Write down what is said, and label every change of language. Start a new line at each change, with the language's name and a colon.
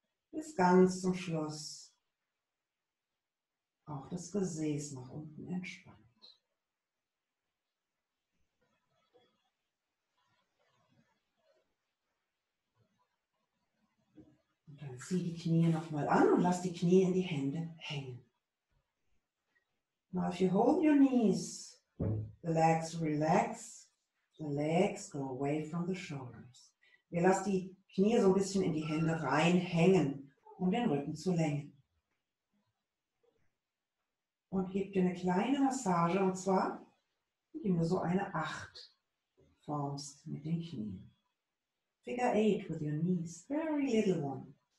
German: Bis ganz zum Schluss auch das Gesäß nach unten entspannt. Und dann zieh die Knie nochmal an und lass die Knie in die Hände hängen.
English: Now if you hold your knees, the legs relax, the legs go away from the shoulders.
German: Ihr lasst die Knie so ein bisschen in die Hände reinhängen, um den Rücken zu lenken. Und gebt dir eine kleine Massage, und zwar, indem du so eine 8 formst mit den Knien.
English: Figure 8 with your knees, very little one.